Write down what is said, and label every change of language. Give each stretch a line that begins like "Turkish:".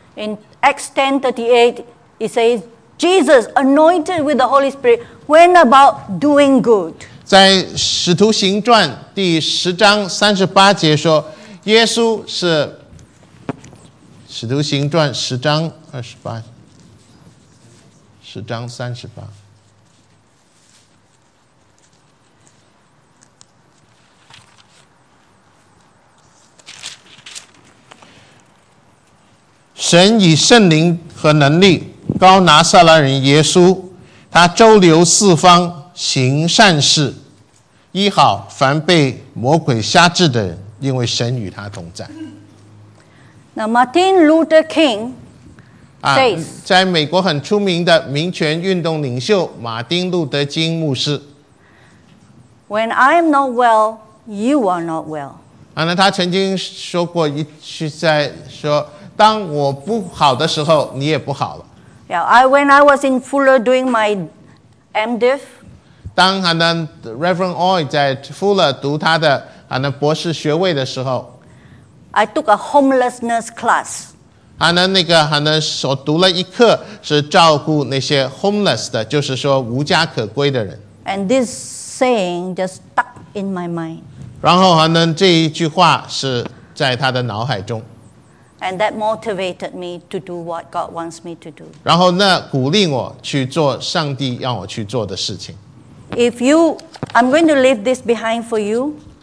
English: In Acts 10:38, it says, Jesus anointed with the Holy Spirit went about doing good.
Chinese: 在使徒行传第十章三十八节说，耶稣是使徒行传十章二十八，十章三十八。神以圣灵和能力高拿撒勒人耶稣，他周流四方行善事，医好凡被魔鬼辖制的人，因为神与他同在。
English: Now Martin Luther King says,
Chinese: 在美国很出名的民权运动领袖马丁路德金牧师。
English: When I am not well, you are not well.
Chinese: 他曾经说过一句，在说当我不好的时候，你也不好了。
English: Yeah, when I was in Fuller doing my MDiv.
Chinese: 当他的 Reverend Oy 在 Fuller 读他的博士学位的时候，
English: I took a homelessness class.
Chinese: 他所读了一课是照顾那些 homeless 的，就是说无家可归的人。
English: And this saying just stuck in my mind.
Chinese: 然后这一句话是在他的脑海中。
English: And that motivated me to do what God wants me to do.
Chinese: 然后那鼓励我去做上帝让我去做的事情。
English: If you, I'm going to leave this behind for you.